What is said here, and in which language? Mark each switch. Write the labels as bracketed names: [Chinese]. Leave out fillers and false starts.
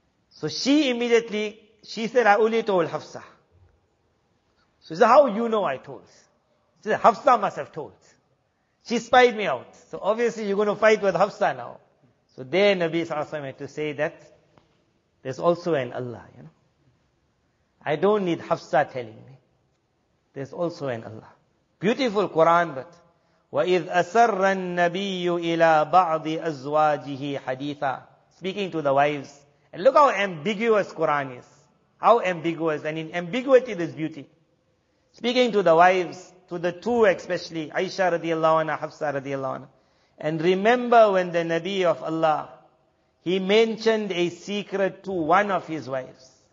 [English] So she immediately, she said, I only told Hafsa. So he said, how you know I told? She said, Hafsa must have told. She spied me out. So obviously you're going to fight with Hafsa now. So there Nabi [Arabic] sallallahu alaihi wasallam [English] had to say that there's also an Allah, you know. I don't need Hafsa telling me. There's also an Allah. Beautiful Quran, but [Arabic] وَإِذْ أَسَرَّ النَّبِيُّ إِلَىٰ بَعْضِ أَزْوَاجِهِ حَدِيثًا. [English] Speaking to the wives. And look how ambiguous Quran is. How ambiguous. And in ambiguity there's beauty. Speaking to the wives, to the two especially, Aisha [Arabic] radiallahu anha, [English] Hafsa radiallahu anha. And remember when the Nabi of Allah, he mentioned a secret to one of his wives.